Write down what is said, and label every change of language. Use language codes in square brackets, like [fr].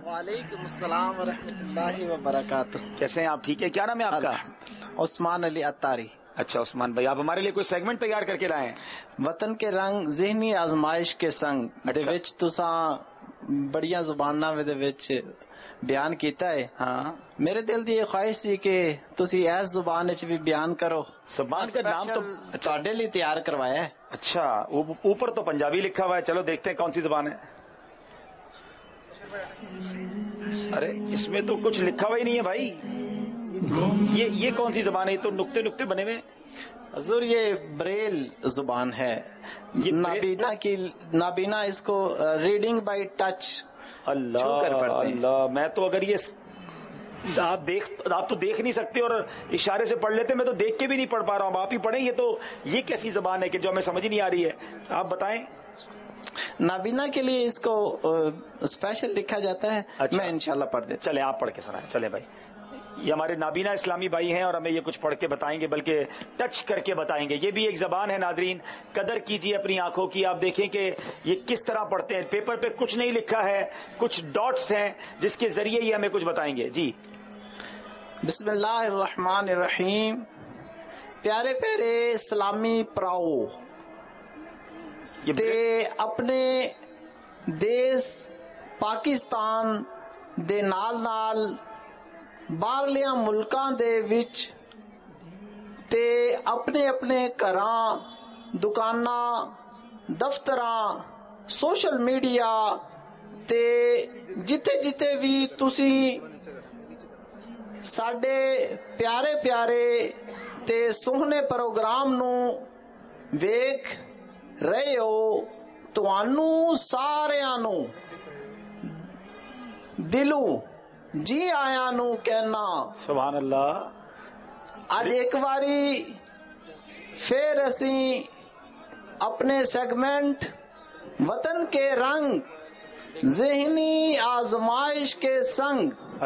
[ar] وعلیکم السلام ورحمۃ اللہ وبرکاتہ. [ur] کیسے ہیں آپ؟ ٹھیک ہے. کیا نام ہے آپ کا؟ عثمان علی عطاری. اچھا عثمان بھائی، آپ ہمارے لیے کوئی سیگمنٹ تیار کر کے لائے ہیں؟ [pa] وطن کے رنگ ذہنی آزمائش کے سنگ تساں بڑی زبان بیان کیتا ہے. [ur] ہاں [pa] میرے دل دی یہ خواہش سی کہ تسی ایس زبان وچ بھی بیان کرو. [ur] زبان کا نام تو [pa] تہاڈے لئی تیار کروایا ہے. [ur] اچھا اوپر تو پنجابی لکھا ہوا ہے، چلو دیکھتے ہیں کون سی زبان ہے. ارے اس میں تو کچھ لکھا ہوا ہی نہیں ہے بھائی، یہ کون سی زبان ہے؟ تو نقطے نقطے بنے ہوئے. حضور یہ بریل زبان ہے، نابینا کی نابینا اس کو [en] Reading by touch. [ur] اللہ اللہ، میں تو اگر یہ آپ تو دیکھ نہیں سکتے اور اشارے سے پڑھ لیتے، میں تو دیکھ کے بھی نہیں پڑھ پا رہا ہوں. آپ ہی پڑھیں، یہ تو یہ کیسی زبان ہے کہ جو ہمیں سمجھ نہیں آ رہی ہے؟ آپ بتائیں. نابینا کے لیے اس کو اسپیشل لکھا جاتا ہے. میں انشاءاللہ پڑھ دیتا. چلے آپ پڑھ کے سنائیں. چلے بھائی، یہ ہمارے نابینا اسلامی بھائی ہیں اور ہمیں یہ کچھ پڑھ کے بتائیں گے، بلکہ ٹچ کر کے بتائیں گے. یہ بھی ایک زبان ہے ناظرین، قدر کیجیے اپنی آنکھوں کی. آپ دیکھیں کہ یہ کس طرح پڑھتے ہیں. پیپر پہ کچھ نہیں لکھا ہے، کچھ ڈاٹس ہیں جس کے ذریعے یہ ہمیں کچھ بتائیں گے. جی [ar] بسم اللہ الرحمن الرحیم. [pa] پیارے پیارے اسلامی پراؤ، دے اپنے دیس پاکستان دے نال نال باہرلیاں ملکاں دے وچ تے اپنے اپنے گھراں دکاناں دفتراں سوشل میڈیا تے جتھے جتھے وی تسی ساڈے پیارے پیارے تے سوہنے پروگرام نو ویکھ رہے ہو، تانوں ساریاں نو دلوں جی آیا نو کہنا [ar] سبحان اللہ. [pa] اج ایک واری پھر اسی اپنے سیگمنٹ وطن کے رنگ ذہنی آزمائش کے سنگ